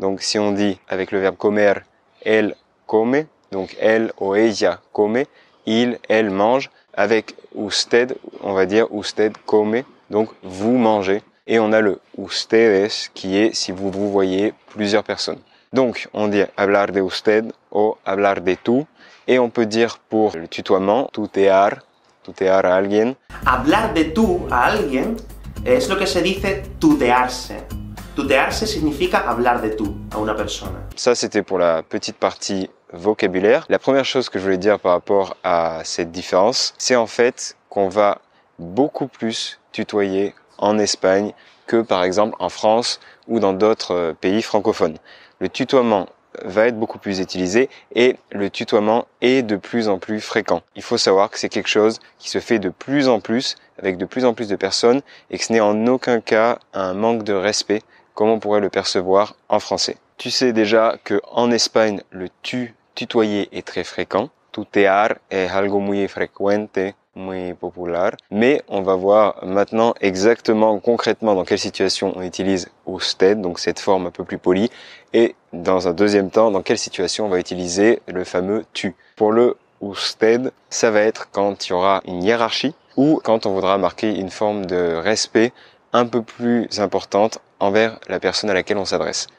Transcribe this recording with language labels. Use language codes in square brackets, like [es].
[fr] Donc si on dit avec le verbe comer, [es] él come, [fr] donc [es] él o ella come, [fr] il, elle mange, avec usted, on va dire [es] usted come, [fr] donc vous mangez, et on a le ustedes qui est si vous vous voyez plusieurs personnes. Donc, on dit [es] hablar de usted o hablar de tú. [fr] Et on peut dire pour le tutoiement, [es] tutear a alguien. Hablar de tú a alguien es lo que se dice tutearse. Tutearse significa hablar de tú a una persona. [fr] Ça, c'était pour la petite partie vocabulaire. La première chose que je voulais dire par rapport à cette différence, c'est en fait qu'on va beaucoup plus tutoyer en Espagne que par exemple en France ou dans d'autres pays francophones. Le tutoiement va être beaucoup plus utilisé et le tutoiement est de plus en plus fréquent. Il faut savoir que c'est quelque chose qui se fait de plus en plus avec de plus en plus de personnes et que ce n'est en aucun cas un manque de respect comme on pourrait le percevoir en français. Tu sais déjà qu'en Espagne, le tutoyer est très fréquent. [es] Tutear es algo muy frecuente. Muy popular. [fr] Mais on va voir maintenant exactement concrètement dans quelle situation on utilise usted, donc cette forme un peu plus polie, et dans un deuxième temps, dans quelle situation on va utiliser le fameux tu. Pour le usted, ça va être quand il y aura une hiérarchie ou quand on voudra marquer une forme de respect un peu plus importante envers la personne à laquelle on s'adresse.